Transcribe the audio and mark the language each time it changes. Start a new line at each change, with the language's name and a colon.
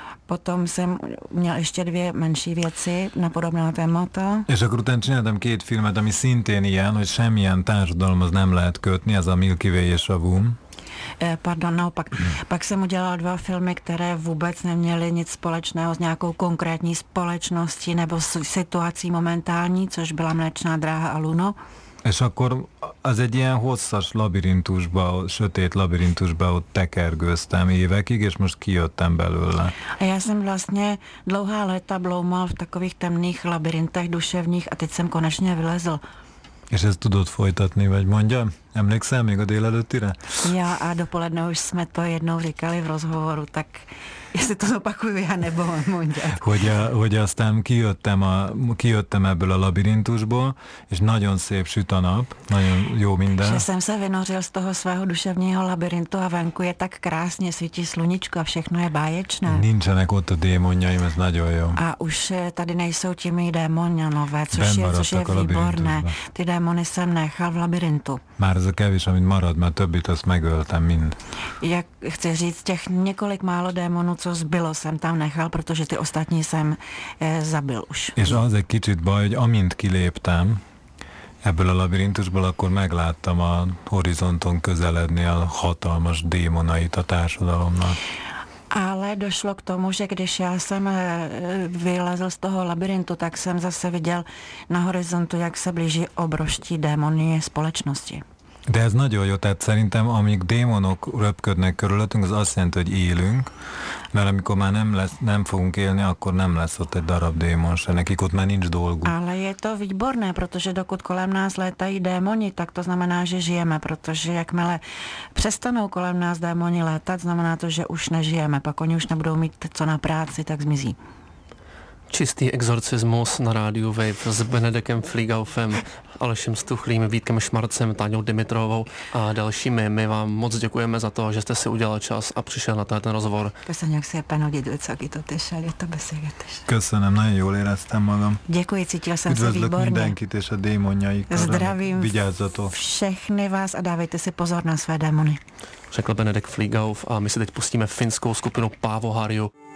Czech: Potom jsem měl ještě dvě menší věci na podobná témata.
Hungarian: És akkor utána csináltam két filmet, ami szintén ilyen, hogy semmilyen társadalomhoz nem lehet kötni, ez a Milky Way és a Wum.
Czech: Pardon, naopak. Pak jsem udělal dva filmy, které vůbec neměly nic společného s nějakou konkrétní společností nebo s situací momentální, což byla Mléčná dráha a Luno.
Hungarian: És akkor az egy ilyen hosszas labirintusba, sötét labirintusba ott tekergőztem évekig, és most kijöttem belőle.
Czech: A já jsem vlastně dlouhá léta bloumal v takových temných labirintech duševních a teď jsem konečně vylezl.
Hungarian: És ezt tudod folytatni, vagy mondja? Emlékszel még a délelőttire?
Czech: Ja, a dopoledne už jsme to jednou říkali v rozhovoru, tak jestli to opakuju, já nebo mondja.
Hungarian: Hogy aztán kijöttem ebből a labirintusból, és nagyon szép süt a nap, nagyon jó minden.
Czech: Že jsem se vynořil z toho svého duševního labirintu a venku je tak krásně, svítí sluníčko a všechno je báječné.
Hungarian: Nincsenek ott a démonjaim, ez nagyon jo.
Czech: A už tady nejsou ti mý démonjanové, což je výborné. Ty démony jsem nechal v labirintu.
Hungarian: Már ez a kevés, amit marad, mert többit azt megöltem mind.
Czech: Jak chci říct, těch několik málo démonů, co zbylo, jsem tam nechal, protože ty ostatní jsem zabil už.
Hungarian: És az egy kicsit baj, hogy amint kiléptem ebből a labirintusból, akkor megláttam a horizonton közeledni a hatalmas démonait a társadalomnak.
Czech: Ale došlo k tomu, že když já jsem vylezl z toho labirintu, tak jsem zase viděl na horizontu, jak se blíží obrovští démoni společnosti.
Hungarian: De ez nagyon jó, tehát szerintem amíg démonok röpködnek körülöttünk, az azt jelenti, hogy élünk, mert amikor már nem fogunk élni, akkor nem lesz ott egy darab démon se, nekik ott már nincs dolgu.
Czech: Ale je to výborné, protože dokud kolem nás létají démoni, tak to znamená, že žijeme, protože jakmile přestanou kolem nás démoni létat, znamená to, že už nežijeme, pak oni už nebudou mít co na práci, tak zmizí. Čistý exorcismus na rádiu Wave s Benedekem Fliegaufem, Alešem Stuchlým, Vítkem Šmarcem, Táňou Dimitrovou a dalšími. My vám moc děkujeme za to, že jste si udělal čas a přišel na ten rozhovor.
Hungarian: Köszönjük szépen, hogy időt
Czech: to tešel, je to
Hungarian: beszélgetés. Köszönöm, nagyon jól éreztem magam.
Czech: Děkuji, cítil jsem se výborně.
Hungarian: Üdvözlök mindenkit és a démonjaikat.
Czech: Zdravím.
Hungarian: Vigyázzatok.
Czech: Všechny vás a dávejte si pozor na své démony. Řekl Benedek Fliegauf a my si teď pustíme finskou skupinu Paavo Harju.